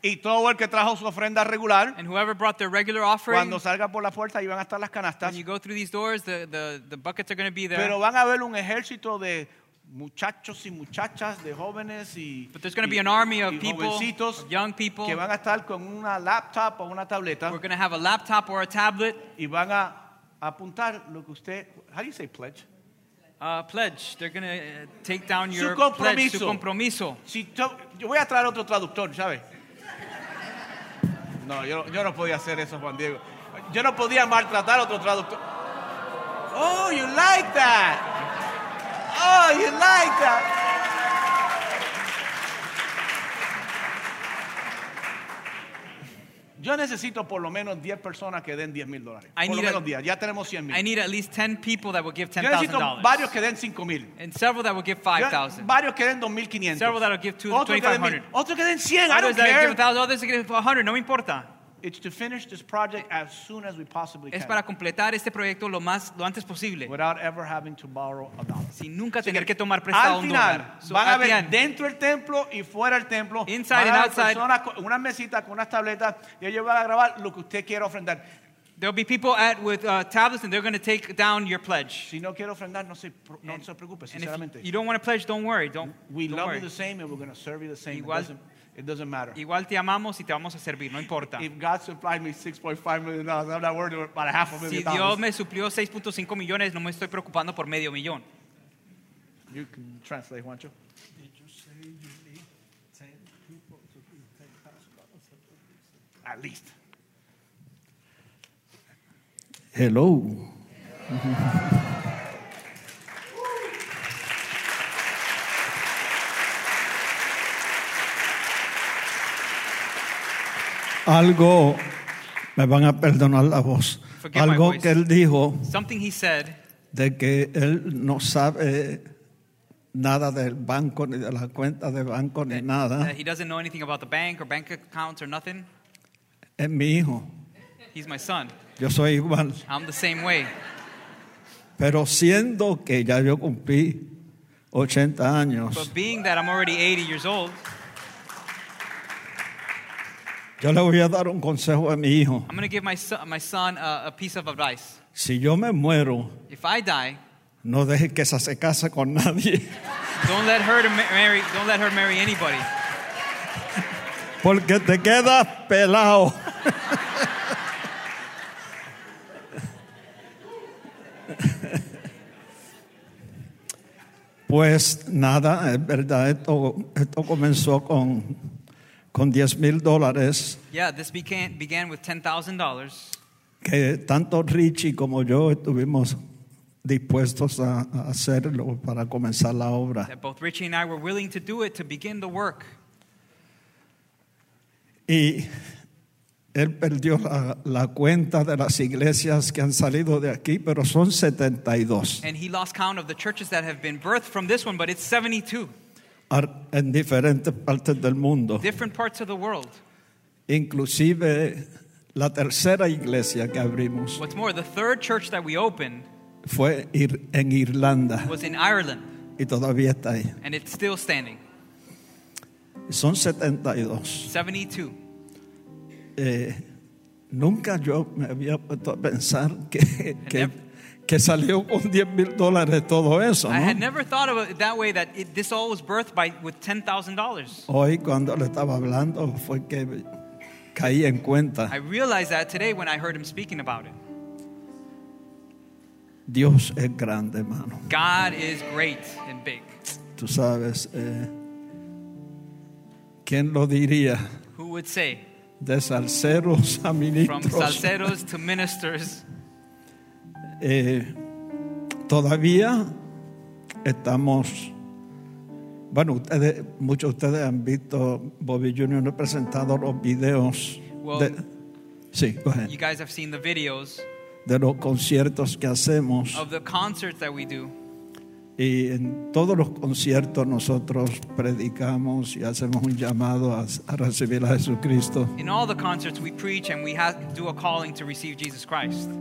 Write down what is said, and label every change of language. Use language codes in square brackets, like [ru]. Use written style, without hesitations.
[es] Y todo el que trajo su ofrenda regular. [en] And whoever brought their regular offering. [es] Cuando salga por la puerta, ahí van a estar las canastas. [en] When you go through these doors, the buckets are going to be there. [es] Pero van a ver un ejército de muchachos y muchachas, de jóvenes y [en] but there's going to be an army of people, of young people, [es] que van a estar con una laptop o una tableta. [en] We're going to have a laptop or a tablet. [es] Y van a apuntar lo que usted, [en] how do you say pledge? Pledge. They're going to take down your [es] su compromiso. Pledge, su compromiso. Si yo voy a traer otro traductor, ¿sabe? No, yo no podía hacer eso, Juan Diego. Yo no podía maltratar a otro traductor. [en] Oh, you like that. Oh, you like that. [es] Yo necesito por lo menos 10 personas que den $10,000. Por lo menos 10. Ya tenemos 100,000. [en] I need at least 10 people that will give [es] $10,000. Yo necesito varios que den 5,000. [en] And several that will give 5,000. [es] Varios que den 2,500. [en] Several that will give 2,500. [es] Otros que den 100. [en] Others that give 1,000. Others that give 100. [es] No me importa. [en] It's to finish this project as soon as we possibly can. [es] Es para completar este proyecto lo antes posible. [en] Without ever having to borrow a dollar. [es] Sin nunca tener que tomar prestado un dólar. Al final, van a ver dentro del templo y fuera del templo. [en] Inside and outside. [es] Una mesita con unas tabletas y ellos van a grabar lo que usted quiera ofrendar. [en] There'll be people at with tablets, and they're going to take down your pledge. [es] Si no quiero ofrendar, no se no se preocupe, sinceramente. [en] If you don't want to pledge, don't worry. Don't. We don't love worry. You the same, and we're going to serve you the same. Igual, it doesn't matter. [es] Igual te amamos y te vamos a servir. No importa. [en] If God supplied me $6.5 million, I'm not worried about a half a million. [es] Si Dios me suplió 6.5 millones, no me estoy preocupando por medio millón. [en] You can translate, won't you? Did you say you need 10 people to be 10,000? At least. Hello. [es] Algo, me van a perdonar la voz. [en] Forget [es] algo [en] my voice. [es] Que él dijo. [en] Something he said. [es] De que él no sabe nada del banco ni de la cuenta de banco ni nada. [en] He doesn't know anything about the bank or bank accounts or nothing. [es] Es mi hijo. [en] He's my son. [es] Yo soy igual. [en] I'm the same way. [es] Pero siendo que ya yo cumplí 80 años. [en] But being that I'm already 80 years old. [es] Yo le voy a dar un consejo a mi hijo. [en] I'm going to give my son a piece of advice. [es] Si yo me muero. [en] If I die. [es] No deje que esa se case con nadie. [en] Don't let her marry. Don't let her marry anybody. [es] Porque te quedas pelado. Pues nada, es verdad. Esto comenzó con $10,000. [en] Yeah, this began with $10,000. [es] Que tanto Richie como yo estuvimos dispuestos a hacerlo para comenzar la obra. [en] That both Richie and I were willing to do it to begin the work. [es] Y él perdió la cuenta de las iglesias que han salido de aquí, pero son 72. [en] And he lost count of the churches that have been birthed from this one, but it's 72. [es] En diferentes partes del mundo. [en] Different parts of the world. [es] Inclusive la tercera iglesia que abrimos. [en] What's more, the third church that we opened [es] fue en Irlanda. [en] Was in Ireland. [es] Y todavía está ahí. [en] And it's still standing. [es] Son 72. 72. Nunca yo me había puesto a pensar que salió con $10,000 todo eso, ¿no? [en] I had never thought of it that way, that this all was birthed with $10,000. [es] Hoy cuando le estaba hablando fue que caí en cuenta. [en] I realized that today when I heard him speaking about it. [es] Dios es grande, hermano. [en] God is great and big. [es] Tú sabes, ¿quién lo diría? [en] Who would say? [es] De salseros a ministros. [en] From salseros to ministers. [es] Todavía estamos. Bueno, ustedes, muchos de ustedes han visto Bobby Jr. presentado los videos. [en] Well, [es] de, sí, [en] go ahead. You guys have seen the videos. [es] De los conciertos que hacemos. [en] Of the concerts that we do. [es] Y en todos los conciertos nosotros predicamos y hacemos un llamado a recibir a Jesucristo. [en] In all the concerts we preach and we do a calling to receive Jesus Christ.